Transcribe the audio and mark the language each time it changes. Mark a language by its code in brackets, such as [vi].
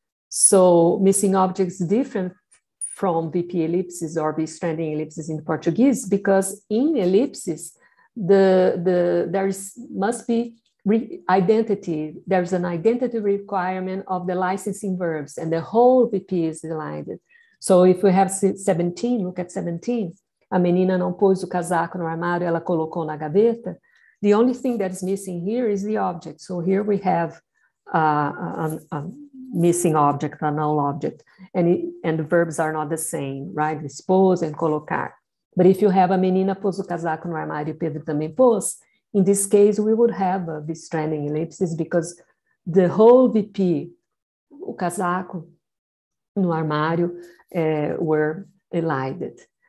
[en] So missing objects different from VP ellipses or V stranding ellipses in Portuguese, because in ellipses, there must be identity. There's an identity requirement of the licensing verbs, and the whole VP is divided. So if we have 17, look at 17. [pt] A menina não pôs o casaco no armário, ela colocou na gaveta. [en] The only thing that is missing here is the object. So here we have a missing object, a null object, and the verbs are not the same, right? Dispose and colocar. But if you have [pt] a menina pôs o casaco no armário, Pedro também pôs, [en] in this case, we would have a V-stranding ellipsis, because the whole VP, [pt] o casaco no armário, [en] were elided.